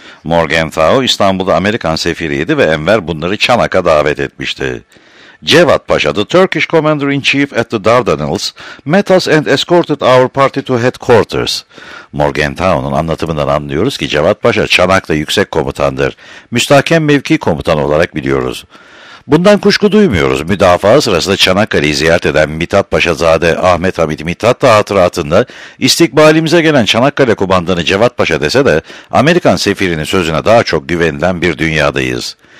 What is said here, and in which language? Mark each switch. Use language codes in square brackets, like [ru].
[tr] Morgenthau, İstanbul'da Amerikan sefiriydi ve Enver bunları Çanak'a davet etmişti. [en] Cevat Paşa, the Turkish commander-in-chief at the Dardanelles, met us and escorted our party to headquarters. [tr] Morgenthau'nun anlatımından anlıyoruz ki Cevat Paşa Çanak'ta yüksek komutandır. Müstahkem mevki komutan olarak biliyoruz. Bundan kuşku duymuyoruz. Müdafaa sırasında Çanakkale'yi ziyaret eden Mithat Paşazade Ahmet Hamid Mithat da hatıratında istikbalimize gelen Çanakkale kumandanı Cevat Paşa dese de Amerikan sefirinin sözüne daha çok güvenilen bir dünyadayız.